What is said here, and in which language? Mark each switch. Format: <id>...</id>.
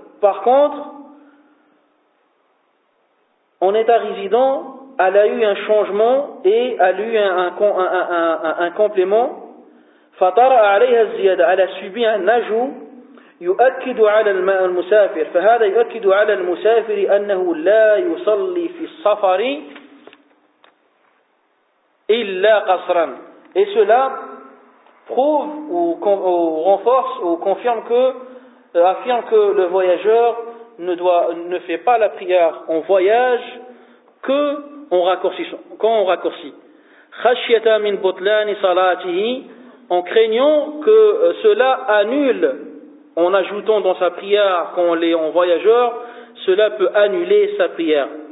<fr>Par contre, en état résident, elle a eu un changement et elle a eu un complément.</fr> <ar>Fatara alayha ziyada.</ar> <fr>Elle a subi un ajout.</fr> <ar>يؤكد على المسافر فهذا يؤكد على المسافر أنه لا يصلي في الصفر إلا قصرا.</ar> <fr>Et cela prouve ou renforce ou confirme que affirme que le voyageur ne fait pas la prière en voyage que en raccourcissant, quand on raccourcit.</fr> <ar>خشيتا من بطلان صلاته,</ar> <fr>en craignant que cela annule, en ajoutant dans sa prière quand on est en voyageur, cela peut annuler sa prière.</fr>